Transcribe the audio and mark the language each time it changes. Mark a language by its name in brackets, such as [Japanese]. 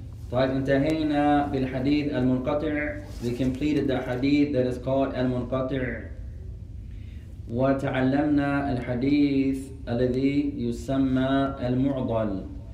[Arabic] طيب انتهينا بالحديث المنقطع. [English] We completed the hadith that is called المنقطع. [Arabic] وتعلمنا الحديث الذي يسمى المعضل.